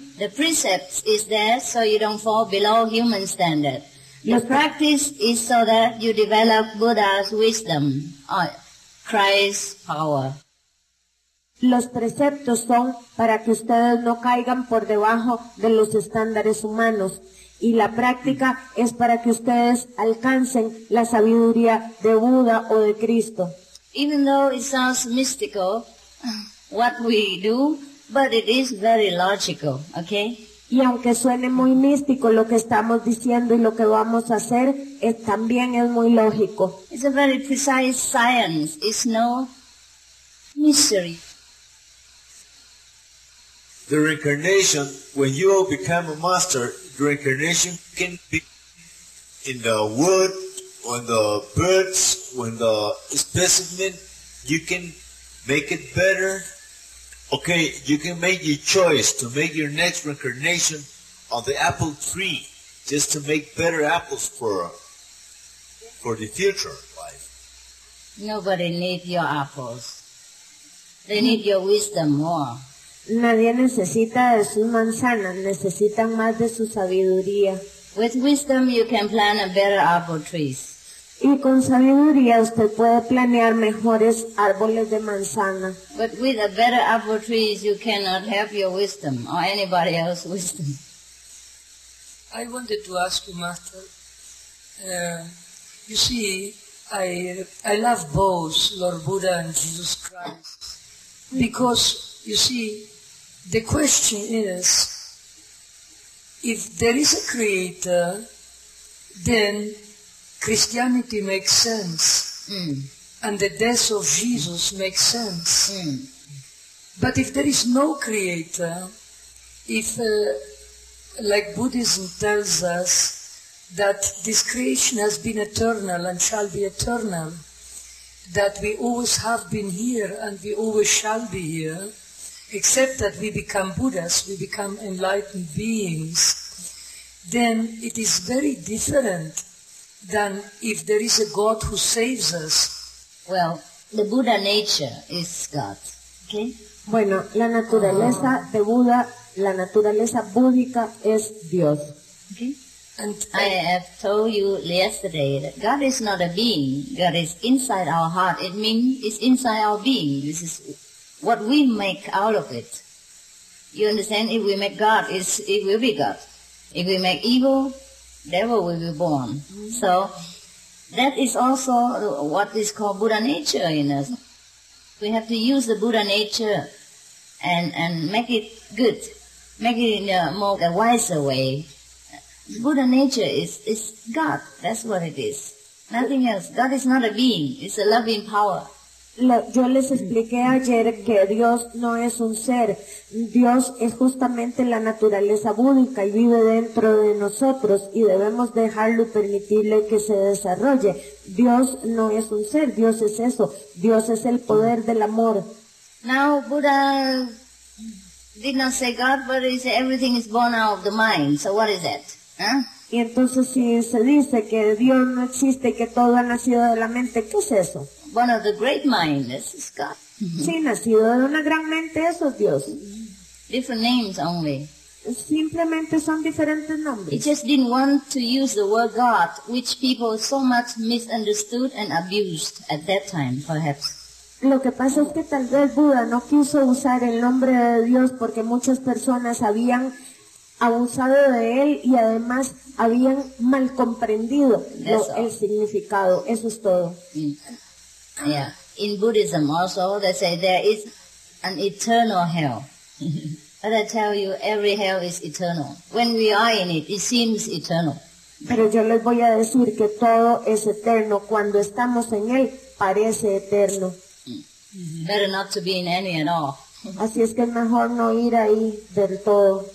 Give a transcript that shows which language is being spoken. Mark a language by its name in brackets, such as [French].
[English] The precepts is there so you don't fall below human standard. The practice is so that you develop Buddha's wisdom, Christ's power. [Spanish] Los preceptos son para que ustedes no caigan por debajo de los estándares humanos. Y la práctica es para que ustedes alcancen la sabiduría de Buda o de Cristo. [English] Even though it sounds mystical, what we do, but it is very logical, okay? [Spanish] Y aunque suene muy místico lo que estamos diciendo y lo que vamos a hacer, también es muy lógico. [English] It's a very precise science. It's no mystery. The reincarnation, when you become a master, reincarnation can be in the wood, on the birds, on the specimen. You can make it better. Okay, you can make your choice to make your next reincarnation on the apple tree, just to make better apples for the future life. Nobody needs your apples. They need your wisdom more. [Spanish] Nadie necesita de sus manzanas, necesitan más de su sabiduría. [English] With wisdom you can plan a better apple trees. [Spanish] Y con sabiduría usted puede planear mejores árboles de manzana. [English] But with a better apple trees you cannot have your wisdom or anybody else's wisdom. I wanted to ask you, Master. You see, I love both Lord Buddha and Jesus Christ. Because, you see, the question is, if there is a creator, then Christianity makes sense, and the death of Jesus makes sense. But if there is no creator, if, like Buddhism tells us, that this creation has been eternal and shall be eternal, that we always have been here and we always shall be here, except that we become Buddhas, we become enlightened beings, then it is very different than if there is a God who saves us. Well, the Buddha nature is God. Okay? [Spanish] Bueno, la naturaleza de Buddha, la naturaleza búdica es Dios. [English] Okay? And I have told you yesterday that God is not a being. God is inside our heart. It means it's inside our being. This is what we make out of it. You understand? If we make God, it will be God. If we make evil, devil will be born. So that is also what is called Buddha nature in us. We have to use the Buddha nature and make it good, make it in a more a wiser way. Buddha nature is God. That's what it is. Nothing else. God is not a being. It's a loving power. [Spanish] Yo les expliqué ayer que Dios no es un ser. Dios es justamente la naturaleza búdica y vive dentro de nosotros y debemos dejarlo y permitirle que se desarrolle. Dios no es un ser, Dios es eso. Dios es el poder del amor. [English] Now Buddha did not say God, but he said everything is born out of the mind. So what is that? [Spanish] Y entonces si se dice que Dios no existe y que todo ha nacido de la mente, ¿qué es eso? [English] One of the great minds is God. [Spanish] Sí, nacido de una gran mente, eso es Dios. [English] Different names only. [Spanish] Simplemente son diferentes nombres. [English] He just didn't want to use the word God, which people so much misunderstood and abused at that time, perhaps. [Spanish] Lo que pasa es que tal vez Buda no quiso usar el nombre de Dios porque muchas personas habían abusado de él y además habían mal comprendido el significado. Eso es todo. [English] Yeah, in Buddhism also they say there is an eternal hell. But I tell you, every hell is eternal. When we are in it, it seems eternal. [Spanish] Pero yo les voy a decir que todo es eterno. Cuando estamos en él, parece eterno. [English] Better not to be in any at all. [Spanish] Así es que mejor no ir ahí del todo.